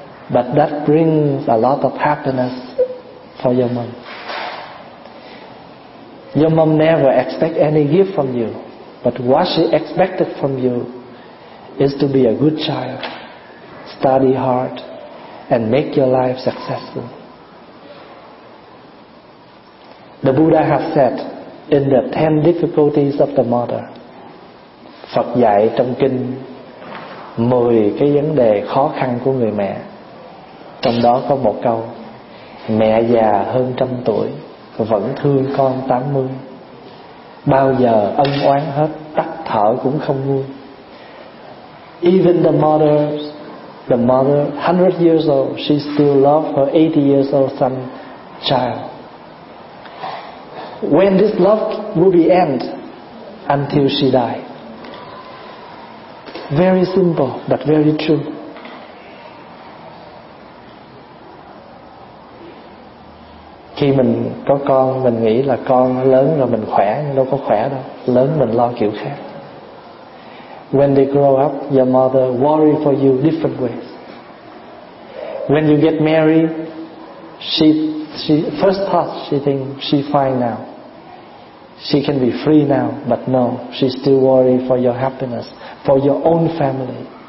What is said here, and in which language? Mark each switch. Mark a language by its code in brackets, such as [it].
[en] But that brings a lot of happiness for your mom. Your mom never expect any gift from you. But what she expected from you is to be a good child, study hard, and make your life successful. The Buddha has said, in the 10 difficulties of the mother, [vi] Phật dạy trong kinh 10 cái vấn đề khó khăn của người mẹ. Trong đó có một câu: mẹ già hơn 100 tuổi vẫn thương con 80, bao giờ ân oán hết, tắt thở cũng không vui. [en] Even the mother 100 years old, she still love her 80 years old son child. When this love will be end until she die. Very simple but very true. [vi] Khi mình có con, mình nghĩ là con lớn rồi mình khỏe, nhưng đâu có khỏe đâu. Lớn mình lo kiểu khác. [en] When they grow up, your mother worry for you different ways. When you get married, she first thought she think she fine now. She can be free now, but no, she still worry for your happiness, for your own family.